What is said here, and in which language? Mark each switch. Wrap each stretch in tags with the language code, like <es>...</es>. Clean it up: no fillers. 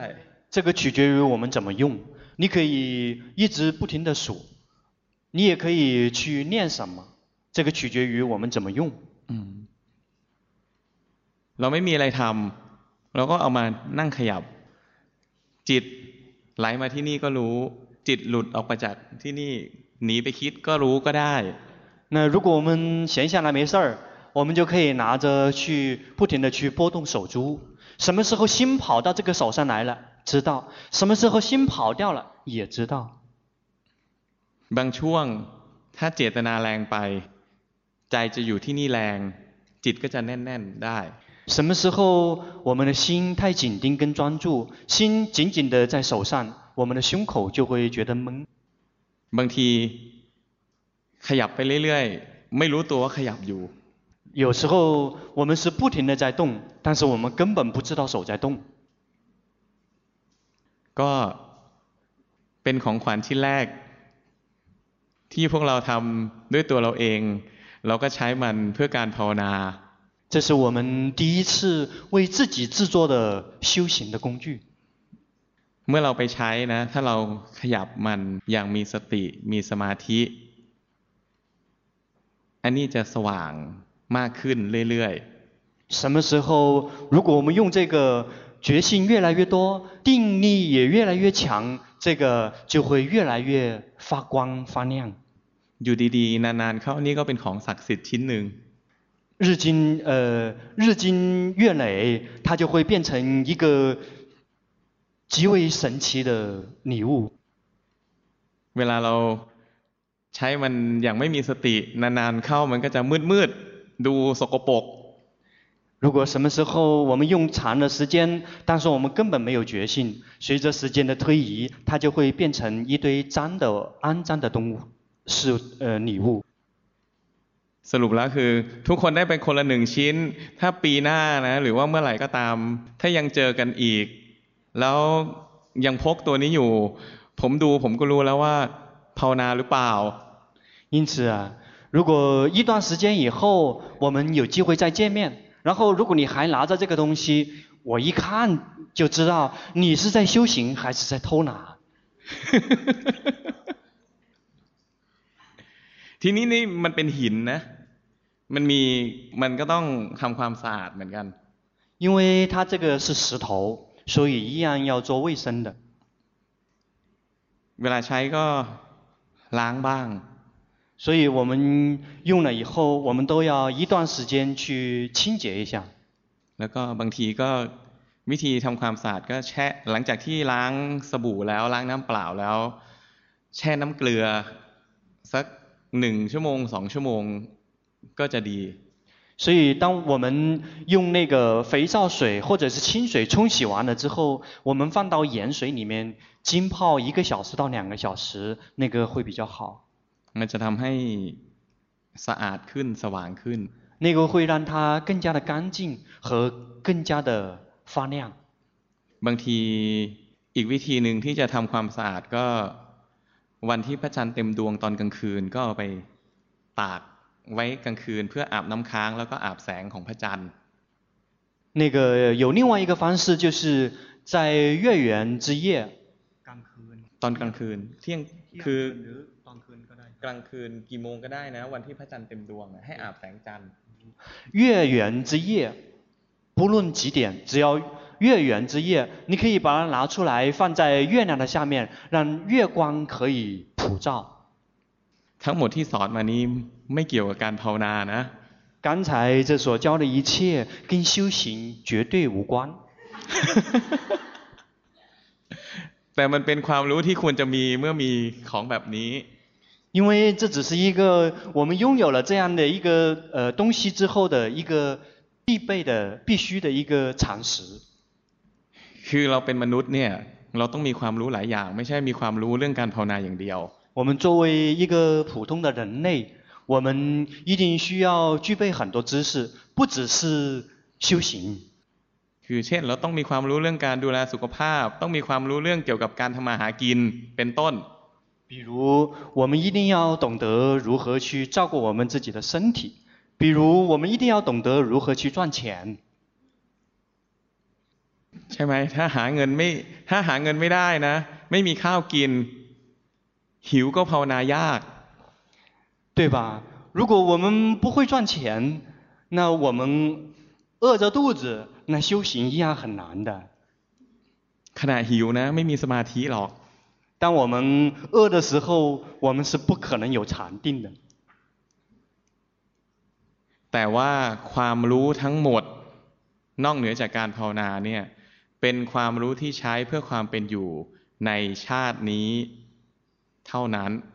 <zh>这个取决于我们怎么用你可以一直不停的数你也可以去念什么这个取决于我们怎么用</zh> <th>เราไม่มีอะไรทำเราก็เอามานั่งขยับจิตไหลมาที่นี่ก็รู้จิตหลุดออกไปจากที่นี่หนีไปคิดก็รู้ก็ได้</th> <zh>那如果我们闲下来没事儿我们就可以拿着去不停的去拨动手珠什么时候心跑到这个手上来了知道什么时候心跑掉了也知道</zh> <th>บางช่วงถ้าเจตนาแรงไปใจจะอยู่ที่นี่แรงจิตก็จะแน่นๆได้</th> <zh>什么时候我们的心太紧盯跟专注心紧紧的在手上我们的胸口就会觉得闷</zh> <th>บางทีขยับไปเรื่อยๆไม่รู้ตัวว่าขยับอยู่</th> <zh>有时候我们是不停的在动但是我们根本不知道手在动</zh> <th>ก็เป็นของขวัญที่แรกที่พวกเราทำด้วยตัวเราเองเราก็ใช้มันเพื่อการภาวนา</th> <zh>这是我们第一次为自己制作的修行的工具</zh> <th>เมื่อเราไปใช้นะถ้าเราขยับมันอย่างมีสติมีสมาธิอันนี้จะสว่างมากขึ้นเรื่อย</th> <zh>ๆ什么时候如果我们用这个决心越来越多定力也越来越强这个就会越来越发光发亮</zh> <th>อยู่ดีๆนานๆเข้านี่ก็เป็นของศักดิ์สิทธิ์ชิ้นหนึ่ง</th> <zh>日经月累它就会变成一个极为神奇的礼物</zh> <th>เวลาเราใช้มันอย่างไม่มีสตินานๆเข้ามันก็จะมืดๆดูสกปรก</th> <zh>如果什么时候我们用长的时间，但是我们根本没有觉性，随着时间的推移，它就会变成一堆脏的、肮脏的动物，是礼物。</zh> <th>สรุปแล้วคือทุกคนได้ไปคนละหนึ่งชิ้นถ้าปีหน้านะหรือว่าเมื่อไหร่ก็ตามถ้ายังเจอกันอีกแล้วยังพกตัวนี้อยู่ผมดูผมก็รู้แล้วว่าภาวนาหรือเปล่า</th> <zh>因此啊，如果一段时间以后我们有机会再见面，然后如果你还拿着这个东西，我一看就知道你是在修行还是在偷拿。</zh> <th>ทีนี้นี่มันเป็นหินนะมันมีมันก็ต้องทำความสะอาดเหมือนกัน</th> <zh>因为它这个是石头所以一样要做卫生的</zh> <th>เวลาใช้ก็ล้างบ้าง</th> <zh>所以我们用了以后我们都要一段时间去清洁一下</zh> <th>แล้วก็บางทีก็วิธีทำความสะอาดก็แช่หลังจากที่ล้างสบู่แล้วล้างน้ำเปล่าแล้วแช่น้ำเกลือสัก1ชั่วโมง2ชั่วโมงก็จะดี</th> <zh>所以当我们用那个肥皂水或者是清水冲洗完了之后我们放到盐水里面浸泡一个小时到两个小时那个会比较好</zh> <th>มันจะทำให้สะอาดขึ้นสว่างขึ้น</th> <zh>那个会让它更加的干净和更加的发亮</zh> <th>บางทีอีกวิธีนึงที่จะทำความสะอาดก็วันที่พระจันทร์เต็มดวงตอนกลางคืนก็เอาไปตากไว้กลางคืนเพื่ออาบน้ำค้างแล้วก็อาบแสงของพระจันทร์</th> <zh>那个有另外一个方式就是在月圆之夜</zh> <th>กลางคืน ตอนกลางคืนเที่ยงคือ หรือตอนคืนก็ได้กลางคืนกี่โมงก็ได้นะวันที่พระจันทร์เต็มดวงให้อาบแสงจันทร์</th> <zh>月圆之夜不论几点只要月圆之夜你可以把它拿出来放在月亮的下面让月光可以普照</zh> <th>ทั้งหมดที่สอนมานี้ไม่เกี่ยวกับการภาวนานะ</th> <zh>刚才这所教的一切跟修行绝对无关</zh> <th>แต่มันเป็นความรู้ที่ควรจะมีเมื่อมีของแบบนี้</th> <zh>因为这只是一个我们拥有了这样的一个东西之后的一个必备的必须的一个常识</zh> <th>คือเราเป็นมนุษย์เนี่ยเราต้องมีความรู้หลายอย่างไม่ใช่มีความรู้เรื่องการภาวนาอย่างเดียว</th> <zh>我们作为一个普通的人类我们一定需要具备很多知识不只是修行</zh> <th>คือเช่นเราต้องมีความรู้เรื่องการดูแลสุขภาพต้องมีความรู้เรื่องเกี่ยวกับการทำมาหากินเป็นต้น</th> <zh>比如我们一定要懂得如何去照顾我们自己的身体比如我们一定要懂得如何去赚钱</zh> <th>ใช่ไหมถ้าหาเงินไม่ถ้าหาเงินไม่ได้นะไม่มีข้าวกินหิวก็ภาวนายาก</th> <zh>对吧如果我们不会赚钱那我们饿着肚子那修行一样很难的</zh> <th>ขณะหิวนะไม่มีสมาธิหรอก</th> <zh>当我们饿的时候我们是不可能有禅定的</zh> <th>แต่ว่าความรู้ทั้งหมดนอกเหนือจากการภาวนาเนี่ยเป็นความรู้ที่ใช้เพื่อความเป็นอยู่ในชาตินี้เท่านั้น</th>